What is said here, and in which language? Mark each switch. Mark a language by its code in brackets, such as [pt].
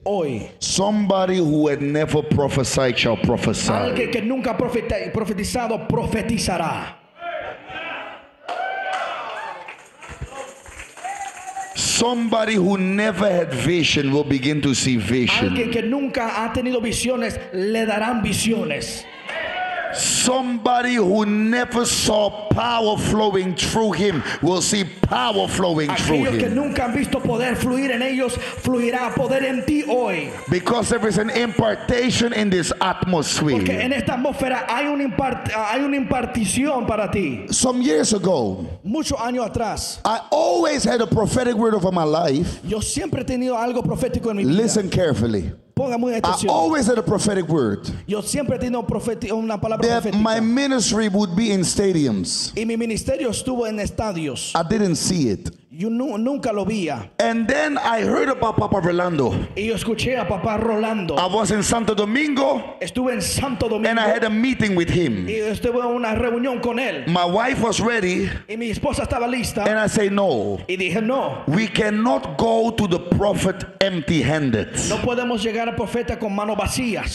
[es] hoy, [en] somebody who had never prophesied shall prophesy. [es] Alguien que nunca profetizado profetizará. [en] Somebody who never had vision will begin to see vision. [es] Alguien que nunca ha tenido visiones le darán visiones. [en] Somebody who never saw power flowing through him will see power flowing through him. [es] Aquellos que nunca han visto poder fluir en ellos fluirá poder en ti hoy. [en] Because there is an impartation in this atmosphere. [es] Porque en esta atmósfera hay una impartición para ti. [en] Some years ago, [es] muchos años atrás, [en] I always had a prophetic word over my life. [es] Yo siempre he tenido algo profético en mi vida. [en] Listen carefully. I always had a prophetic word. [es] Yo siempre tenía una palabra [en] that [es] profética. [en] My ministry would be in stadiums. [es] Y mi ministerio estuvo en estadios. [en] I didn't see it. [es] Yo nunca lo vi. [en] And then I heard about Papa Rolando. [es] Y yo escuché a Papa Rolando. [en] I was in Santo Domingo. [es] Estuve en Santo Domingo. [en] And I had a meeting with him. [es] Y estuve en una reunión con él. [en] My wife was ready. [es] Y mi esposa estaba lista. [en] And I say no. [es] Y dije no. [en] We cannot go to the prophet empty-handed. [es] No podemos llegar al profeta con manos vacías.